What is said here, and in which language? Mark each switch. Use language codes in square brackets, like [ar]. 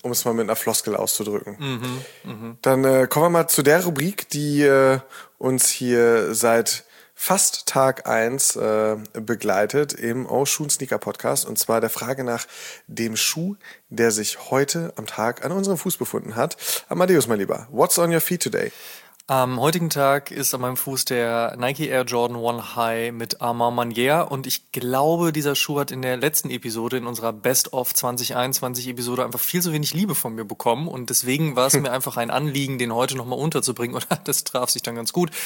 [de] Um es mal mit einer Floskel auszudrücken. Dann kommen wir mal zu der Rubrik, die uns hier seit fast Tag 1 begleitet im Oshun Sneaker Podcast, und zwar der Frage nach dem Schuh, der sich heute am Tag an unserem Fuß befunden hat. [en] Amadeus, [de] mein Lieber, [en] what's on your feet today? [de] Am heutigen Tag ist an meinem Fuß der Nike Air Jordan 1 High mit Armand Manier, und ich glaube, dieser Schuh hat in der letzten Episode, in unserer Best of 2021 Episode, einfach viel zu wenig Liebe von mir bekommen, und deswegen war es mir einfach ein Anliegen, den heute nochmal unterzubringen, und das traf sich dann ganz gut.